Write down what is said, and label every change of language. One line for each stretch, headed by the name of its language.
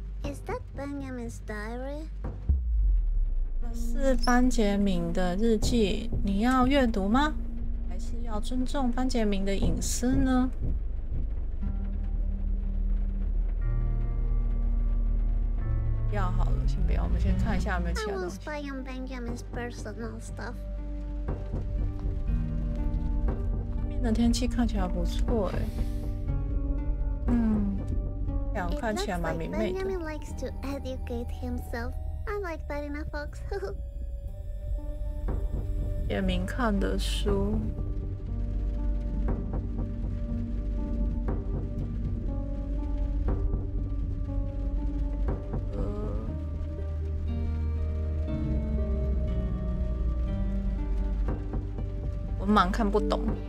English: Is that Benjamin's diary?
Chinese: 是班杰明的日记，你要阅读吗？还是要尊重班杰明的隐私呢？要好了，先不要，我们先看一下有没有其他东西。
English: I won't spy on Benjamin's personal stuff.
Chinese: 那天气看起来不错哎、欸，嗯，太阳看起来蛮明媚的。
English: Benjamin likes to educate himself. I like that in a fox.
Chinese: 也明看的书，文盲看不懂。